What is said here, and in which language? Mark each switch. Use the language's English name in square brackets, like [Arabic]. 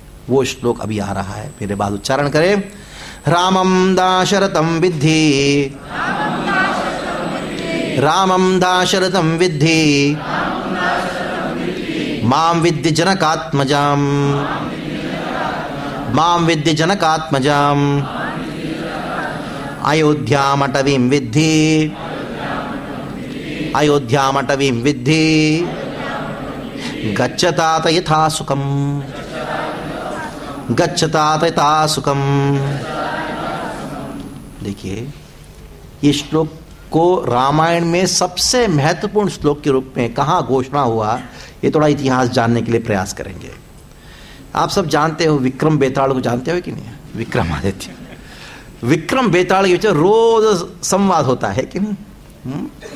[Hindi] वो श्लोक अभी आ रहा है, मेरे बाद उच्चारण करें, [Sanskrit] रामम दाशरथम विद्धि, रामम दाशरथम विद्धि माम विद्य जनकात्मजम, माम विद्य जनकात्मजम अयोध्या मटवीं विद्धि అయోధ్యామటవీం విద్ధి గచ్చతాత యథాసుకం, గచ్చతాత యథాసుకం. [Hindi] देखिए ये श्लोक को रामायण में सबसे महत्वपूर्ण श्लोक के रूप में कहाँ घोषणा हुआ, ये थोड़ा इतिहास जानने के लिए प्रयास करेंगे. आप सब जानते हो विक्रम बेताल को, जानते हो कि नहीं? विक्रमादित्य, विक्रम बेताल के बीच रोज संवाद होता है कि नहीं?